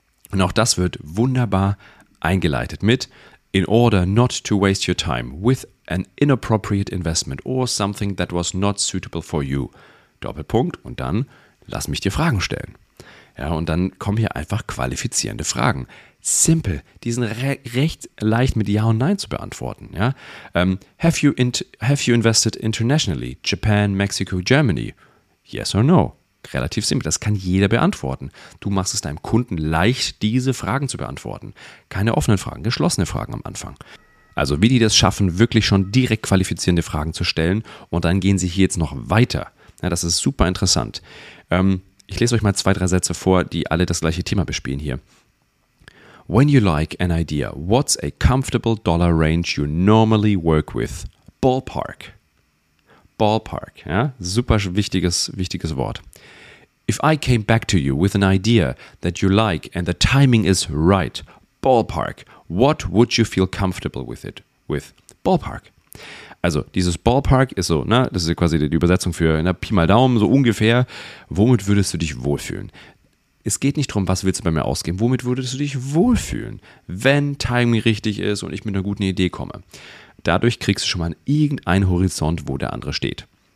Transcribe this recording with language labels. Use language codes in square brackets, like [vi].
[de] Und auch das wird wunderbar eingeleitet mit [en] in order not to waste your time with an inappropriate investment or something that was not suitable for you. [de] Doppelpunkt und dann lass mich dir Fragen stellen. Ja, und dann kommen hier einfach qualifizierende Fragen. Simple, die sind recht leicht mit Ja und Nein zu beantworten. Ja? [en] Have you invested internationally? Japan, Mexico, Germany? Yes or no? [de] Relativ simpel, das kann jeder beantworten. Du machst es deinem Kunden leicht, diese Fragen zu beantworten. Keine offenen Fragen, geschlossene Fragen am Anfang. Also wie die das schaffen, wirklich schon direkt qualifizierende Fragen zu stellen und dann gehen sie hier jetzt noch weiter. Ja, das ist super interessant. Ich lese euch mal zwei, drei Sätze vor, die alle das gleiche Thema bespielen hier. [en] When you like an idea, what's a comfortable dollar range you normally work with? Ballpark. Ballpark, [de] ja, super wichtiges Wort. [en] If I came back to you with an idea that you like and the timing is right, ballpark, what would you feel comfortable with it? With ballpark. [de] Also dieses Ballpark ist so, ne, das ist quasi die Übersetzung für ne, Pi mal Daumen, so ungefähr, womit würdest du dich wohlfühlen? Es geht nicht darum, was willst du bei mir ausgeben, womit würdest du dich wohlfühlen, wenn Timing richtig ist und ich mit einer guten Idee komme. Dadurch kriegst du schon mal irgendeinen Horizont, wo der andere steht.